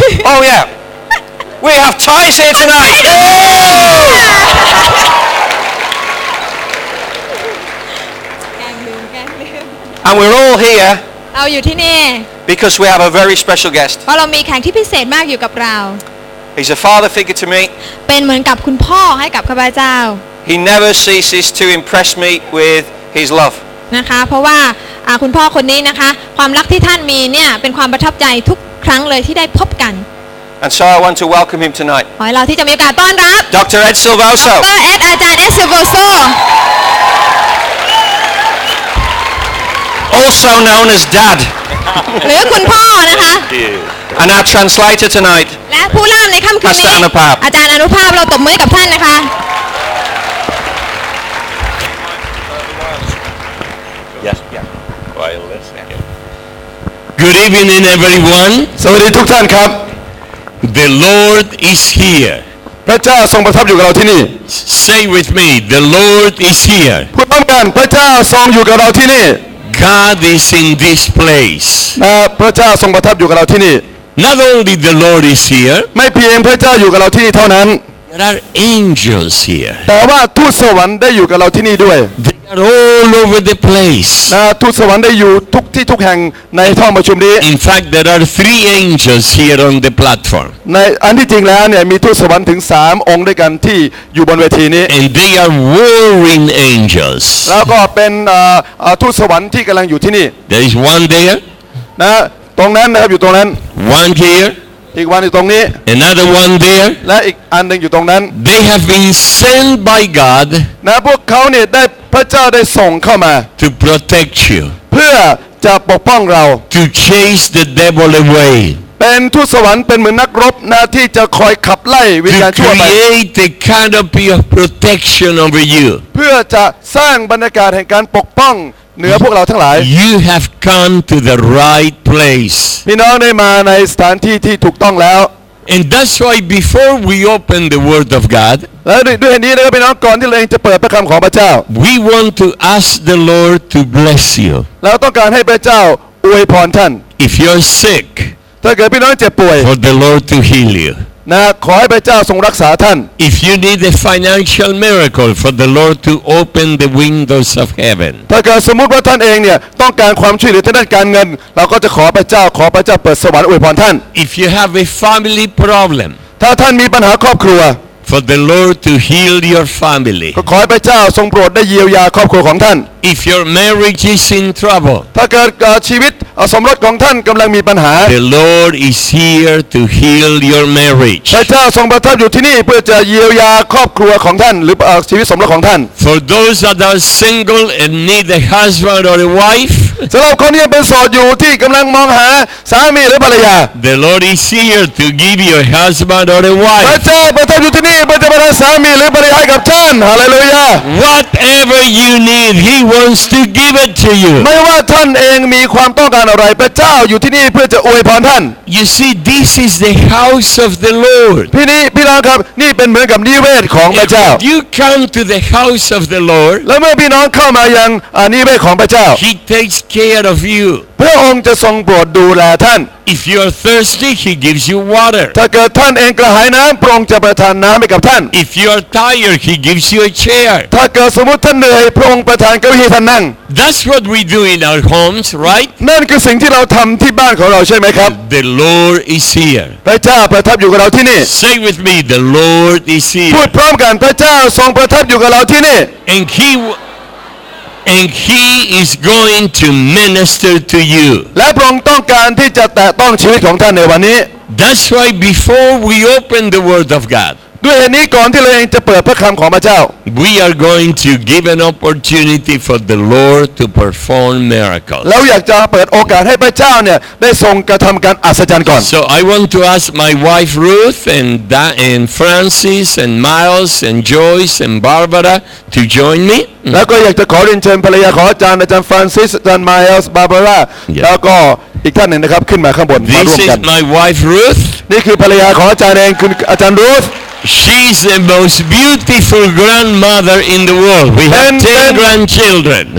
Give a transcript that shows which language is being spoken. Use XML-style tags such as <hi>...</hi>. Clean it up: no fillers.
<en>Oh yeah. We have Thais here tonight. And we're all here.</en> <th>เราอยู่ที่นี่</th> <en>Because we have a very special guest</en> <th>เพราะเรามีแขกที่พิเศษมากอยู่กับเรา</th> <en>He's a father figure to me</en> <th>เป็นเหมือนกับคุณพ่อให้กับข้าพเจ้า</th> <en>He never ceases to impress me with his love</en> <th>นะคะเพราะว่าคุณพ่อคนนี้นะคะความรักที่ท่านมีเนี่ยเป็นความประทับใจทุกครั้งเลยที่ได้พบกัน</th> <en>And so I want to welcome him tonight</en> <th>ขอให้เราที่จะมีโอกาสต้อนรับ</th> <en>Dr. Ed Silvoso</en> <th>ดร. Ed อาจารย์ Ed Silvoso</th> <en>Also known as Dad.</en> <th>หรือคุณพ่อนะคะ</th> <en>And our translator tonight.</en> <th>และผู้ล่ามในค่ำคืนนี้</th> <en>Pastor Anupap.</en> <th>อาจารย์อนุภาพเราตบมือกับท่านนะคะ</th> <en>Yes, yeah. Wireless. Good evening, everyone.</en> <th>สวัสดีทุกท่านครับ</th> <en>The Lord is here.</en> <th>พระเจ้าทรงประทับอยู่กับเราที่นี่</th> <en>Say with me, the Lord is here.</en> <th>พูดพร้อมกันพระเจ้าทรงอยู่กับเราที่นี่</th> <en>God is in this place.</en> <th>พระเจ้าทรงประทับอยู่กับเราที่นี่</th> <en>Not only the Lord is here.</en> <th>ไม่เพียงพระเจ้าอยู่กับเราที่นี่เท่านั้น</th> <en>There are angels here.</en> <th>แต่ว่าทูตสวรรค์ได้อยู่กับเราที่นี่ด้วย</th> <en>They are all over the place.</en> <th>ทูตสวรรค์ได้อยู่ทุกที่ทุกแห่งในห้องประชุมนี้</th> <en>In fact, there are 3 angels here on the platform.</en> <th>ในอันที่จริงแล้วเนี่ยมีทูตสวรรค์ถึง 3 องค์ด้วยกันที่อยู่บนเวทีนี้</th> <en>And they are warring angels.</en> <th>แล้วก็เป็นทูตสวรรค์ที่กำลังอยู่ที่นี่</th> <en>There is one there.</en> <th>นะตรงนั้นนะครับอยู่ตรงนั้น</th> <en>One here.</en> <th>อีกวันอยู่ตรงนี้</th> <en>Another one there</en> <th>และอีกอันนึงอยู่ตรงนั้น</th> <en>They have been sent by God</en> <th>นะพวกเขาเนี่ยได้พระเจ้าได้ส่งเข้ามา</th> <en>To protect you</en> <th>เพื่อจะปกป้องเรา</th> <en>To chase the devil away</en> <th>เป็นทูตสวรรค์เป็นเหมือนนักรบนะที่จะคอยขับไล่วิญญาณชั่วไป</th> <en>To create a canopy of protection over you</en> <th>เพื่อจะสร้างบรรยากาศแห่งการปกป้องเหนือพวกเราทั้งหลาย</th> <en>You have come to the right place</en> <th>พี่น้องได้มาในสถานที่ที่ถูกต้องแล้ว</th> <en>And that's why before we open the word of God</en> <th>แล้วด้วยเหตุนี้นะครับพี่น้องก่อนที่เราจะเปิดพระคําของพระเจ้า</th> <en>We want to ask the Lord to bless you</en> <th>เราต้องการให้พระเจ้าอวยพรท่าน</th> <en>If you're sick</en> <th>ถ้าเกิดพี่น้องเจ็บป่วย</th> <en>For the Lord to heal you</en> <th>นะขอให้พระเจ้าทรงรักษาท่าน</th> <en>If you need a financial miracle for the Lord to open the windows of heaven</en> <th>ถ้าเกิดสมมติว่าท่านเองเนี่ยต้องการความช่วยเหลือทางด้านการเงินเราก็จะขอพระเจ้าขอพระเจ้าเปิดสวรรค์อวยพรท่าน</th> <en>If you have a family problem</en> <th>ถ้าท่านมีปัญหาครอบครัว</th> <en>For the Lord to heal your family.</en> <th>ขอให้พระเจ้าทรงโปรดได้เยียวยาครอบครัวของท่าน</th> <en>If your marriage is in trouble.</en> <th>ถ้าเกิดชีวิตสมรสของท่านกำลังมีปัญหา</th> <en>The Lord is here to heal your marriage.</en> <th>พระเจ้าทรงประทับอยู่ที่นี่เพื่อจะเยียวยาครอบครัวของท่านหรือชีวิตสมรสของท่าน</th> <en>For those that are single and need a husband or a wife.</en> <th>สำหรับคนที่เป็นโสดอยู่ที่กำลังมองหาสามีหรือภรรยา</th> <en>The Lord is here to give you a husband or a wife.</en> <th>พระเจ้าประทับอยู่ที่นี่เพื่อจะประทานสามีหรือภรรยาให้กับท่านฮาเลลูยา</th> <en>Whatever you need, He wants to give it to you.</en> <th>ไม่ว่าท่านเองมีความต้องการอะไรพระเจ้าอยู่ที่นี่เพื่อจะอวยพรท่าน</th> <en>You see, this is the house of the Lord.</en> <th>พี่นี่พี่น้องครับนี่เป็นเหมือนกับนิเวศของพระเจ้า</th> <en>If you come to the house of the Lord,</en> <th>แล้วเมื่อพี่น้องเข้ามายังนิเวศของพระเจ้า</th> <en>He takes care of you.</en> <th>พระองค์จะทรงโปรดดูแลท่าน</th> <en>If you are thirsty, He gives you water.</en> <th>ถ้าเกิดท่านเองกระหายน้ำพระองค์จะประทานน้ำให้กับท่าน</th> <en>If you are tired, He gives you a chair.</en> <th>ถ้าเกิดสมมติท่านเหนื่อยพระองค์ประทานเก้าอี้ให้ท่านนั่ง</th> <en>That's what we do in our homes, right?</en> <th>นั่นคือสิ่งที่เราทำที่บ้านของเราใช่ไหมครับ</th> <en>The Lord is here.</en> <th>พระเจ้าประทับอยู่กับเราที่นี่</th> <en>Say with me, the Lord is here.</en> <th>พูดพร้อมกันพระเจ้าทรงประทับอยู่กับเราที่นี่</th> <en>And he is going to minister to you.</en> <th>และพระองค์ต้องการที่จะแตะต้องชีวิตของท่านในวันนี้</th> <en>That's why before we open the word of God.</en> <th>ด้วยเหตุนี้ก่อนที่เราจะเปิดพระคำของพระเจ้า</th> <en>We are going to give an opportunity for the Lord to perform miracles.</en> <th>เราอยากจะเปิดโอกาสให้พระเจ้าเนี่ยได้ทรงกระทำการอัศจรรย์ก่อน</th> <en>So I want to ask my wife Ruth and Francis and Miles and Joyce and Barbara to join me.</en> <th>แล้วก็อยากจะขอเรียนเชิญภรรยาของอาจารย์ฟรานซิสอาจารย์ไมเอลส์บาร์บาร่าแล้วก็อีกท่านหนึ่งนะครับขึ้นมาข้างบนมาร่วมกัน</th> <en>This is my wife Ruth</en> <th>นี่คือภรรยาของอาจารย์เองคืออาจารย์รูธ</th> <en>She's the most beautiful grandmother in the world We have 10 grandchildren</en>